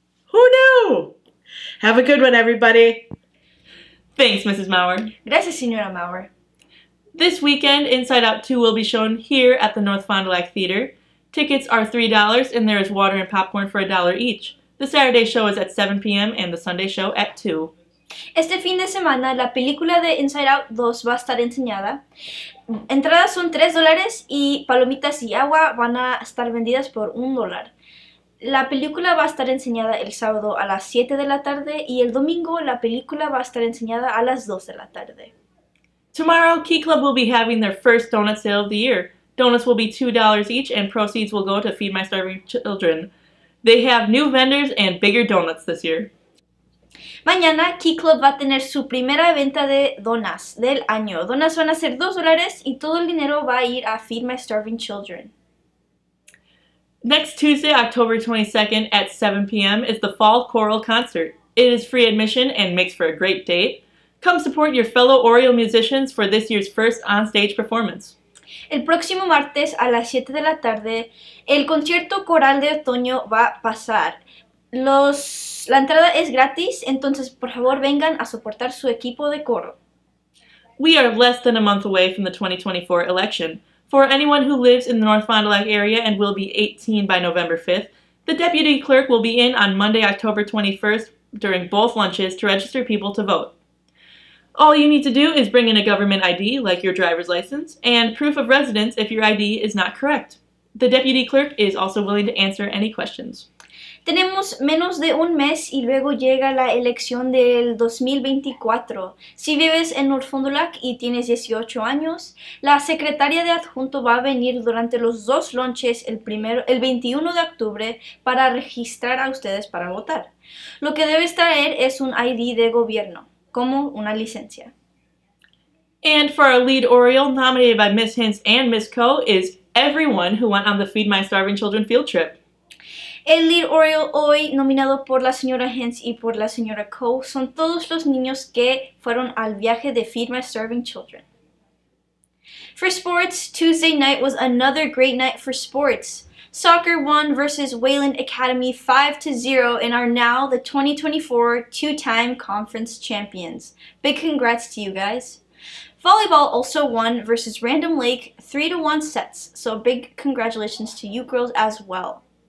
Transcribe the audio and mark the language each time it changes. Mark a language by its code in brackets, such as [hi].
[en] Who knew? Have a good one, everybody. Thanks, Mrs. Maurer. [es] Gracias, Señora Maurer. [en] This weekend, Inside Out 2 will be shown here at the North Fond du Lac Theater. Tickets are $3, and there is water and popcorn for $1 each. The Saturday show is at 7 p.m., and the Sunday show at 2. [es] Este fin de semana, la película de Inside Out 2 va a estar enseñada. Entradas son $3, y palomitas y agua van a estar vendidas por $1. La película va a estar enseñada el sábado a las 7 de la tarde y el domingo la película va a estar enseñada a las 2 de la tarde. [en] Tomorrow, Key Club will be having their first donut sale of the year. Donuts will be $2 each and proceeds will go to Feed My Starving Children. They have new vendors and bigger donuts this year. [es] Mañana, Key Club va a tener su primera venta de donas del año. Donas van a ser $2 y todo el dinero va a ir a Feed My Starving Children. [en] Next Tuesday, October 22nd at 7 p.m. is the Fall Choral Concert. It is free admission and makes for a great date. Come support your fellow Oriole musicians for this year's first onstage performance. [es] El próximo martes a las 7 de la tarde, el concierto coral de otoño va a pasar. La entrada es gratis, entonces por favor vengan a soportar su equipo de coro. [en] We are less than a month away from the 2024 election. For anyone who lives in the North Fond du Lac area and will be 18 by November 5th, the deputy clerk will be in on Monday, October 21st during both lunches to register people to vote. All you need to do is bring in a government ID, like your driver's license, and proof of residence if your ID is not correct. The deputy clerk is also willing to answer any questions. [es] Tenemos menos de un mes y luego llega la elección del 2024. Si vives en North Fond du Lac y tienes 18 años, la secretaria de adjunto va a venir durante los dos lunches el 21 de octubre para registrar a ustedes para votar. Lo que debes traer es un ID de gobierno, como una licencia. [en] And for our lead Oriole, nominated by Miss Hintz and Miss Co, is everyone who went on the Feed My Starving Children field trip. [es] El lead Oriole hoy, nominado por la señora Hintz y por la señora Co, son todos los niños que fueron al viaje de Feed My Starving Children. [en] For sports, Tuesday night was another great night for sports. Soccer won versus Wayland Academy 5-0 and are now the 2024 two-time conference champions. Big congrats to you guys. Volleyball also won versus Random Lake 3-1 sets, so big congratulations to you girls as well.